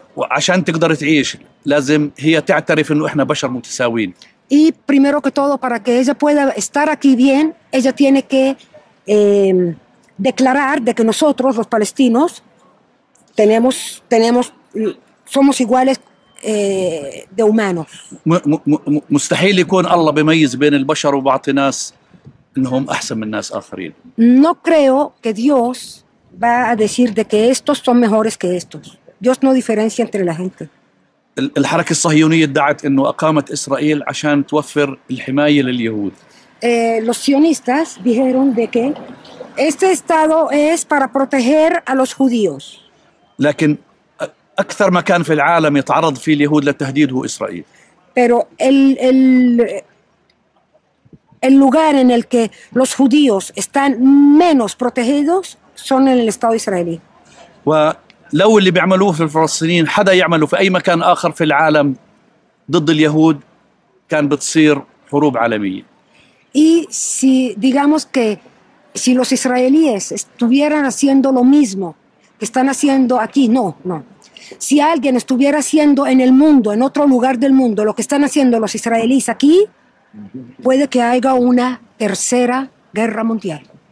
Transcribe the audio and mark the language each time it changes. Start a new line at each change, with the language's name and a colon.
Arabic: عشان تقدر تعيش لازم هي تعترف إنه إحنا بشر متساوين.
Spanish: Y primero que todo para que ella pueda estar aquí bien, ella tiene que declarar de que nosotros los palestinos tenemos somos iguales de humanos.
Arabic: مستحيل يكون الله بيميز بين البشر وبعض الناس انهم احسن من ناس اخرين.
Spanish: No creo que Dios va a decir de que estos son mejores que estos. Dios no diferencia entre la gente.
Arabic: الحركة الصهيونية ادعت انه اقامت اسرائيل عشان توفر الحماية لليهود.
Spanish: Los sionistas dijeron de que este estado es para proteger a los judíos.
Arabic: لكن اكثر مكان في العالم يتعرض فيه اليهود للتهديد هو اسرائيل.
Spanish: Pero el lugar en el que los judíos están menos protegidos son en el estado israelí.
Arabic: ولو اللي بيعملوه في الفلسطينيين حدا يعمله في اي مكان اخر في العالم ضد اليهود كان بتصير حروب عالميه.
Spanish: Y si digamos que si los israelíes estuvieran haciendo lo mismo que están haciendo aquí, no. Si alguien estuviera haciendo en el mundo, en otro lugar del mundo, lo que están haciendo los israelíes aquí, puede que haya una tercera guerra mundial.